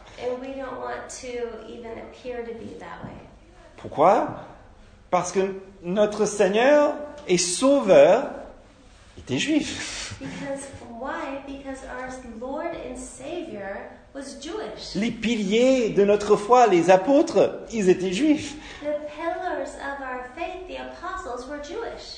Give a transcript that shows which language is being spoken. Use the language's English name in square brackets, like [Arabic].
[English] And we don't want to even appear to be that way. [French] Pourquoi? Parce que notre Seigneur et Sauveur était juif. [English] Because our Lord and Savior was Jewish. [French] Les piliers de notre foi, les apôtres, ils étaient juifs. [English] The pillars of our faith, the apostles were Jewish.